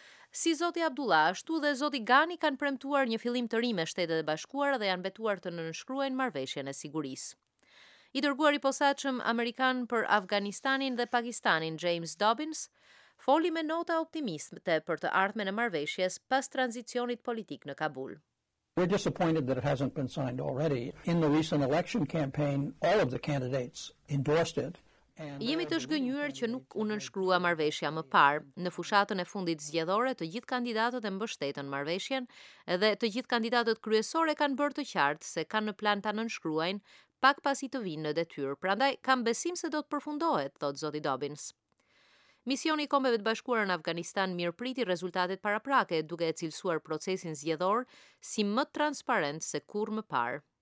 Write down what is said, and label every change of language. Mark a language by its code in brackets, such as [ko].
[sq] Si zoti Abdullah, ashtu dhe zoti Ghani kanë premtuar një fillim të ri me Shtetet e Bashkuara dhe janë betuar të nënshkruajnë marrëveshjen e sigurisë. I dërguar i posaçëm Amerikan për Afganistanin dhe Pakistanin, James Dobbins, foli me nota optimiste për të ardhmen e marrëveshjes pas tranzicionit politik në Kabul. [en] We're disappointed that it hasn't been signed already. In the recent election campaign, all of the candidates endorsed it. [sq] Jemi të zhgënjur që nuk u nënshkrua marrëveshja më parë. Në fushatën e fundit zgjedhore, të gjithë kandidatët e mbështetën marrëveshjen, edhe të gjithë kandidatët kryesore kanë bërë të qartë se kanë në plan ta nënshkruajnë, pak pasi të vinë në detyrë. Prandaj kam besim se do të përfundohet, thot zoti Dobbins. Misioni i Kombeve të Bashkuara në Afganistan mirëpriti rezultatet paraprake, duke e cilësuar procesin zgjedhor si më transparent se kur më parë.